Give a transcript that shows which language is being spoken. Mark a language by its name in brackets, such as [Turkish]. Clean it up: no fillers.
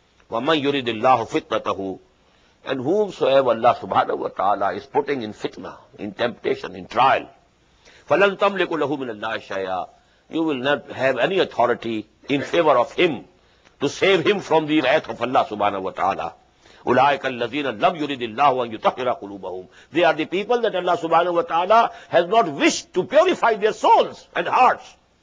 [Arabic] وَمَنْ يُرِدِ اللَّهُ فِتْنَتَهُ. [English] And whomsoever Allah subhanahu wa ta'ala is putting in fitna, in temptation, in trial, [Arabic] فَلَنْ تَمْلِكُ لَهُ مِنَ اللَّهِ شَيْعَى. [English] You will not have any authority in favor of him to save him from the wrath of Allah subhanahu wa ta'ala. [Arabic] أولئك الذين لم يرد الله أن يطهر قلوبهم. [English] They are the people that Allah subhanahu wa ta'ala has not wished to purify their souls and hearts.